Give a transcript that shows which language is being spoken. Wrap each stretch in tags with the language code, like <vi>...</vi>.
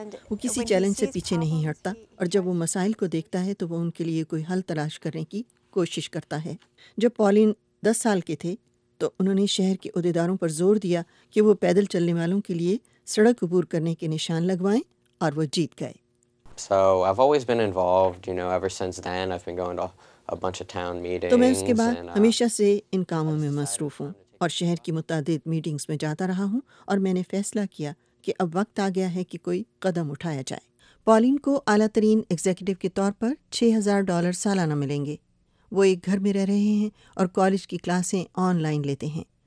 <ur>وہ کسی چیلنج سے پیچھے نہیں ہٹتا اور جب وہ مسائل کو دیکھتا ہے تو وہ ان کے لیے کوئی حل تلاش کرنے کی کوشش کرتا ہے. جب پالین 10 سال کے تھے تو انہوں نے شہر کے عہدیداروں پر زور دیا کہ وہ پیدل چلنے والوں کے لیے سڑک عبور کرنے کے نشان لگوائیں اور وہ جیت گئے.</ur> <en>So I've always been involved, you know, ever since then I've been going to a bunch of town meetings.</en> <ur>تو میں اس کے بعد ہمیشہ سے ان کاموں میں مصروف ہوں اور شہر کی متعدد میٹنگز میں جاتا رہا ہوں اور میں نے فیصلہ کیا کہ اب وقت آ گیا ہے کہ کوئی قدم اٹھایا جائے. پالین کو اعلیٰ ترین ایگزیکٹو کے طور پر $6,000 سالانہ ملیں گے. وہ ایک گھر میں رہ رہے ہیں اور کالج کی کلاسیں آن لائن لیتے ہیں.</ur>